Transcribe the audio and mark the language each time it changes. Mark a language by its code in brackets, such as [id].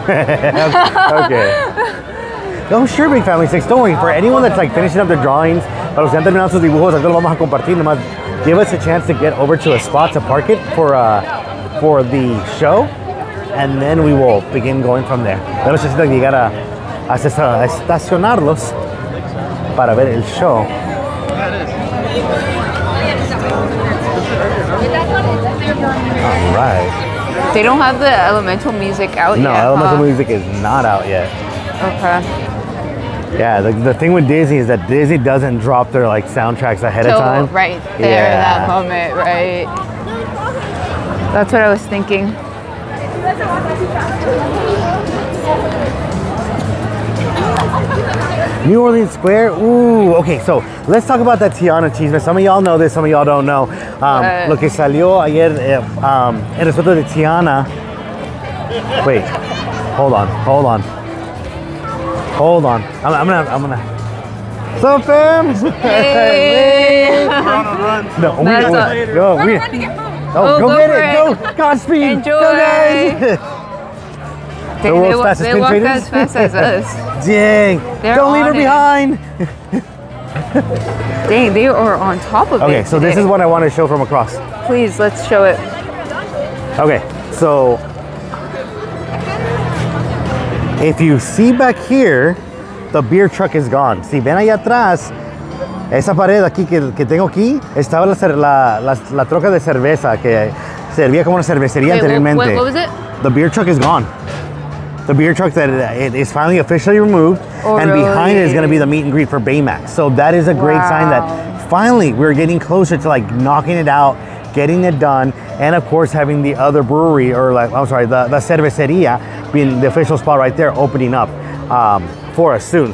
[en] Okay. No, sure, Big Family Six. Don't worry. For anyone that's like finishing up their drawings, [es] para los que están terminando sus dibujos, aquí lo vamos a compartir. [en] Nomás, give us a chance to get over to a spot to park it for the show, and then we will begin going from there. [es] Vamos a decir que llegar a estacionarlos para ver el show. [en] All right. They don't have the elemental music out yet. No, elemental music is not out yet. Okay. Yeah, the thing with Disney is that Disney doesn't drop their like soundtracks ahead of time. Right there, yeah. That moment, right? That's what I was thinking. New Orleans Square? Ooh, okay, so let's talk about that Tiana cheese. Some of y'all know this, some of y'all don't know. [es] Lo que salió ayer en el resto de Tiana. [en] Wait, hold on. Hold on. I'm gonna. So fam! Hey! Run. No, we're going to get home. Go get it! Go! Godspeed! Enjoy! Go, guys! The world's fastest spin traders? They walk as fast as us. Dang! They're don't leave her behind! Dang, they are on top of okay, it. Okay, so today. This is what I want to show from across. Please, let's show it. Okay, so. If you see back here, the beer truck is gone. [es] Si ven allá atrás, esa pared aquí que tengo aquí, estaba la troca de cerveza que servía como una cervecería anteriormente. [en] Wait, what was it? The beer truck is gone. The beer truck that it is finally officially removed. Oh, and really? Behind it is going to be the meet and greet for Baymax. So that is a great sign that finally we're getting closer to like knocking it out, getting it done, and of course having the other brewery or like, I'm sorry, the cervecería being the official spot right there opening up for us soon.